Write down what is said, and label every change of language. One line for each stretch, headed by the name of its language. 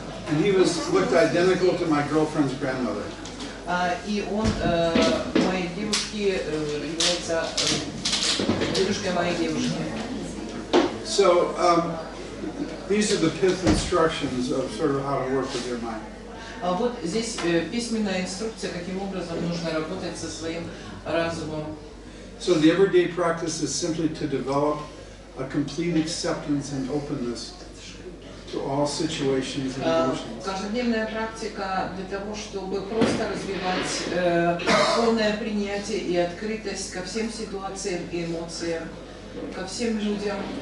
English: and he was looked identical to my girlfriend's grandmother.
Russian: И он моей девушке является дедушкой моей девушки.
English: So these are the pith instructions of sort of how to work with your mind.
Russian: Вот здесь письменная инструкция, каким образом нужно работать со своим разумом.
English: So the everyday practice is simply to develop a complete acceptance and openness to all situations and emotions.
Russian: Каждодневная практика для того, чтобы просто развивать полное принятие и открытость ко всем ситуациям и эмоциям, ко всем людям.